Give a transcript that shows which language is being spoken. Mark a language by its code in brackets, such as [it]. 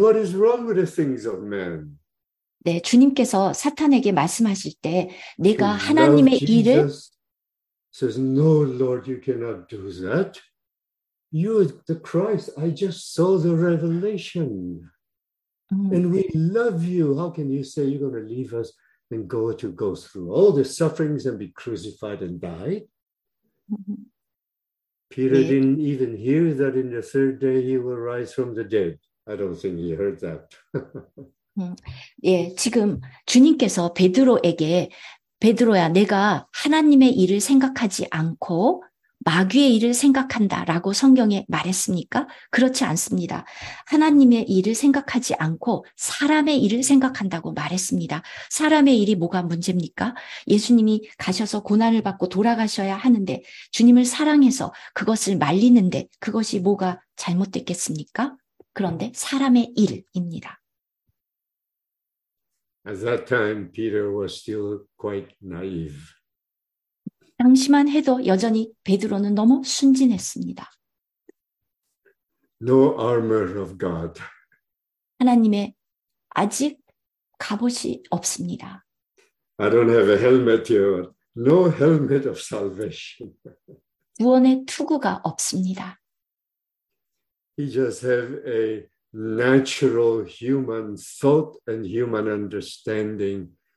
[en] What is wrong with the things of men? [ko] 네, 주님께서 사탄에게 말씀하실 때, 내가 하나님의 일을 [en] says, "No, Lord, you cannot do that. You, the Christ. I just saw the revelation, and we love you. How can you say you're going to leave us?" And go to go through all the sufferings and be crucified and die. Peter 네. didn't even hear that in the third day he will rise from the dead. I don't think he heard that. [ko] 예, 지금 주님께서 베드로에게 베드로야, 내가 하나님의 일을 생각하지 않고 마귀의 일을 생각한다라고 성경에 말했습니까? 그렇지 않습니다. 하나님의 일을 생각하지 않고 사람의 일을 생각한다고 말했습니다. 사람의 일이 뭐가 문제입니까? 예수님이 가셔서 고난을 받고 돌아가셔야 하는데 주님을 사랑해서 그것을 말리는데 그것이 뭐가 잘못됐겠습니까? 그런데 사람의 일입니다. [en] At that time, Peter was still quite naive. [ko] 당시만 해도 여전히 베드로는 너무 순진했습니다. [en] No armor of God. [ko] 하나님의 아직 갑옷이 없습니다. [en] I don't have a helmet here. No helmet of salvation. [ko] 구원의 투구가 없습니다. [en] He just have a natural human thought and human understanding.